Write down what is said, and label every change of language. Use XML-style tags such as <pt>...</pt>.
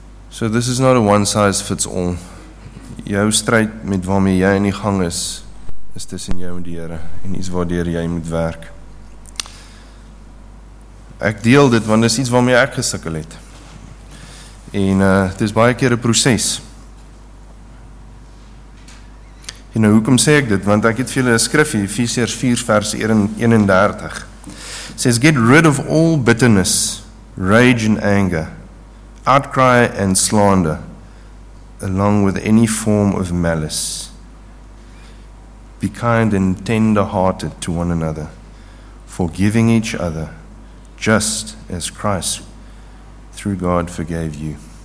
<en>So this is not a one size fits all.</en> <af>Jou stryd met waarmee jy in die gang is, is tussen jou en die Here, en iets waardeur jy moet werk. Ek deel dit, want dit is iets waarmee ek gesukkel het. En het is baie keer een proces. En nou, hoekom sê ek dit? Want ek het vir julle een skrifje, Efesiërs 4 vers 31.</af> <en>It says, get rid of all bitterness, rage and anger, outcry and slander, along with any form of malice. Be kind and tender-hearted to one another, forgiving each other, just as Christ through God forgave you.</en>